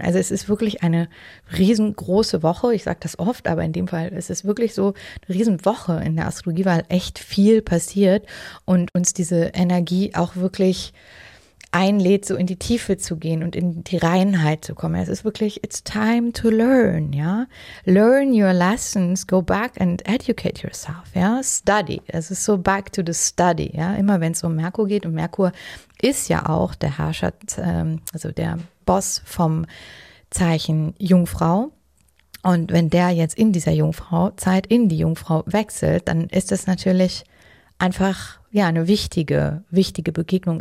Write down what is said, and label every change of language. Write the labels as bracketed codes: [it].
[de] Also es ist wirklich eine riesengroße Woche. Ich sage das oft, aber in dem Fall ist es wirklich so eine Riesenwoche in der Astrologie, weil echt viel passiert und uns diese Energie auch wirklich einlädt, so in die Tiefe zu gehen und in die Reinheit zu kommen. Es ist wirklich, [en] it's time to learn, [de] ja. [en] Learn your lessons, go back and educate yourself, ja. [de] Study, es ist so [en] back to the study, [de] ja. Immer wenn es um Merkur geht, und Merkur ist ja auch der Herrscher, also der Boss vom Zeichen Jungfrau. Und wenn der jetzt in dieser Jungfrauzeit in die Jungfrau wechselt, dann ist das natürlich einfach, ja, eine wichtige, wichtige Begegnung.